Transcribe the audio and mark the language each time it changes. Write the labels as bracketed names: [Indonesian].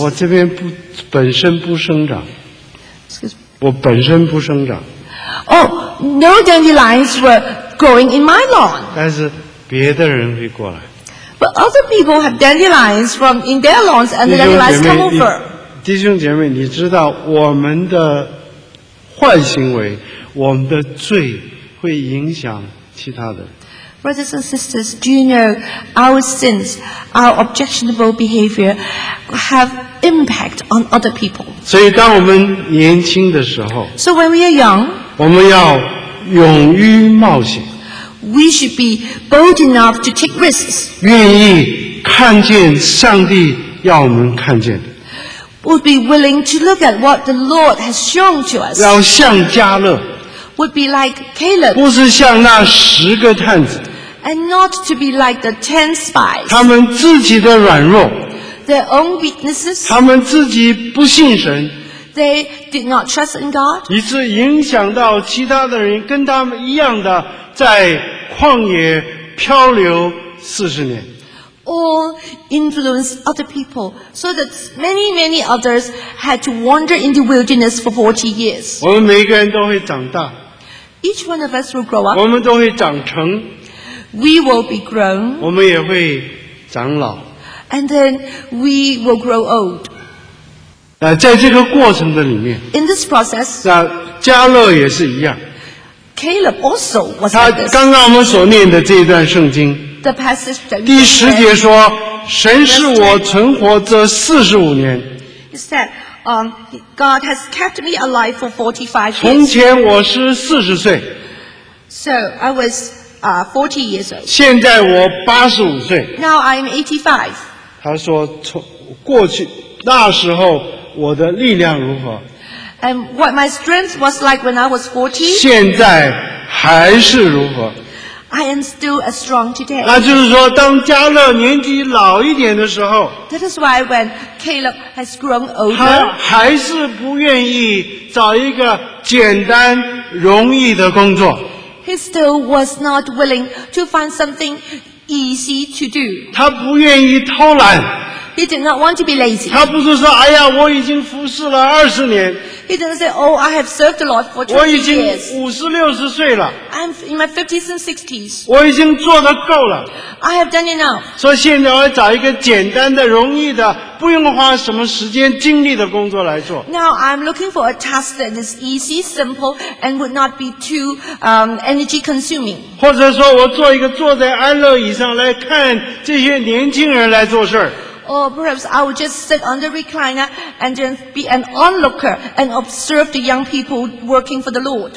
[Chinese] 我这边不本身不生长。我本身不生长。 [English] Oh, no dandelions were growing in my lawn. [Chinese] 但是别的人会过来。 [English] But other people have dandelions from in their lawns, and the dandelions come over. [Chinese] 弟兄姐妹，你知道我们的坏行为，我们的罪会影响其他的。 [English] Brothers and sisters, do you know our sins, our objectionable behavior, have impact on other people? [Chinese] 所以当我们年轻的时候 [English] ，So when we are young, [Chinese] 我们要勇于冒险。 [English] We should be bold enough to take risks. [Chinese] 愿意看见上帝要我们看见的。 [English] Would be willing to look at what the Lord has shown to us. [Chinese] 要像加勒。 [English] Would be like Caleb. [Chinese] 不是像那十个探子。 [English] And not to be like the 10 spies. [Chinese] 他们自己的软弱。 [English] Their own weaknesses. [Chinese] 他们自己不信神。 [English] They did not trust in God. [Chinese] 以致影响到其他的人跟他们一样的在旷野漂流四十年。 [English] Or influence other people, so that many, many others had to wander in the wilderness for 40 years. [Chinese] 我们每个人都会长大。 [English] Each one of us will grow up. [Chinese] 我们都会长成。 [English] We will be grown. [Chinese] 我们也会长老。 [English] And then we will grow old. [Chinese] 在这个过程的里面。 [English] In this process. [Chinese] 那加勒也是一样。 [English] Caleb also was like this. [Chinese] 他刚刚我们所念的这一段圣经 [English] the passage that we read, [Chinese] 第十节说神是我存活这四十五年 [English] He said, God has kept me alive for 45 years. [Chinese] 从前我是四十岁 [English] So I was 40 years old. [Chinese] 现在我八十五岁 [English] Now I'm 85. [Chinese] 他说过去那时候我的力量如何 [English] And what my strength was like when I was 40? [Chinese] 现在还是如何? [English] I am still as strong today. [Chinese] 那就是说当加勒年纪老一点的时候 [English] That is why when Caleb has grown older, [Chinese] 他还是不愿意找一个简单容易的工作。 [English] He still was not willing to find something easy to do. [Chinese] 他不愿意偷懒。 [English] He did not want to be lazy. [Chinese] 他不是说哎呀我已经服侍了二十年。 [English] He didn't say, oh, I have served the Lord for 20 years. [Chinese] 我已经五十六十岁了。 [English] I'm in my 50s and 60s. [Chinese] 我已经做得够了。 [English] I have done enough. [Chinese] 所以现在我要找一个简单的、容易的、不用花什么时间精力的工作来做。 [English] Now I'm looking for a task that is easy, simple, and would not be too energy consuming. [Chinese] 或者说我做一个坐在安乐椅上来看这些年轻人来做事。 [English] Or perhaps I would just sit on the recliner and then be an onlooker and observe the young people working for the Lord.